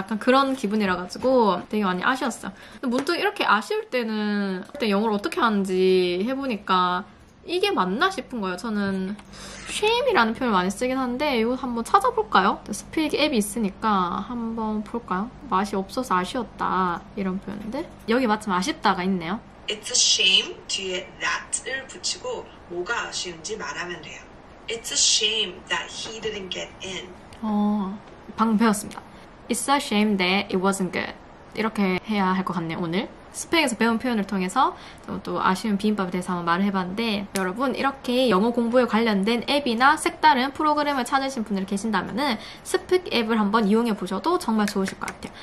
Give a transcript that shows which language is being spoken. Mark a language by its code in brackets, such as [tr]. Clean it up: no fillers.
[ko] 약간 그런 기분이라가지고 되게 많이 아쉬웠어요. 근데 문득 이렇게 아쉬울 때는 그때 영어를 어떻게 하는지 해보니까 이게 맞나 싶은 거예요. 저는 shame이라는 표현을 많이 쓰긴 하는데 이거 한번 찾아볼까요? 스피킹 앱이 있으니까 한번 볼까요? 맛이 없어서 아쉬웠다 이런 표현인데 여기 마침 아쉽다가 있네요. [en] It's a shame [ko] 뒤에 that을 붙이고 뭐가 아쉬운지 말하면 돼요. [en] It's a shame that he didn't get in. [ko] 방금 배웠습니다. [en] It's a shame that it wasn't good. [ko] 이렇게 해야 할 것 같네요, 오늘. 스펙에서 배운 표현을 통해서 또 아쉬운 비빔밥에 대해서 한번 말을 해봤는데 여러분 이렇게 영어 공부에 관련된 앱이나 색다른 프로그램을 찾으신 분들이 계신다면은 스픽 앱을 한번 이용해 보셔도 정말 좋으실 것 같아요.